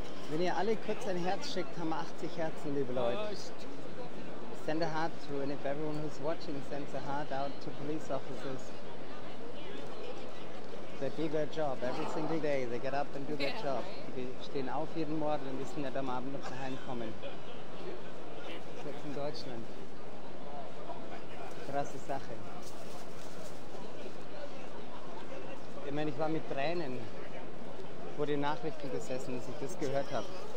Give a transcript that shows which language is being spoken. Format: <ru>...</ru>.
<de>Wenn ihr alle kurz ein Herz schickt, haben wir 80 Herzen, liebe Leute.</de> <en>Send a heart through, and if everyone who's watching sends a heart out to police officers, they do their job every single day. They get up and do their job.</en> <de>Die stehen auf jeden Morgen und wissen nicht am Abend, ob sie heimkommen. Selbst in Deutschland. Krasse Sache. Ich meine, ich war mit Tränen vor den Nachrichten gesessen, als ich das gehört habe.</de>